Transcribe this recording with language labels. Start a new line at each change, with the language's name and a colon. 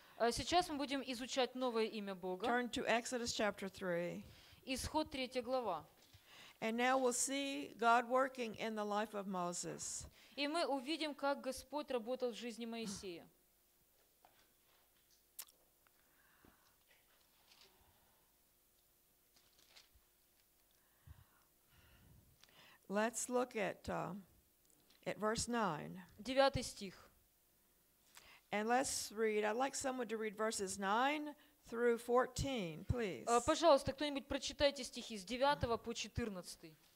Russian: Сейчас мы будем изучать новое имя Бога.
English: Turn to Exodus chapter 3.
Russian: Исход 3 глава.
English: And now we'll see God working in the life of Moses.
Russian: И мы увидим, как Господь работал в жизни Моисея.
English: Let's look at verse 9.
Russian: 9 стих.
English: And let's read. I'd like someone to read verses 9 through 14, please.
Russian: Пожалуйста, кто-нибудь прочитайте стихи с 9 по 14.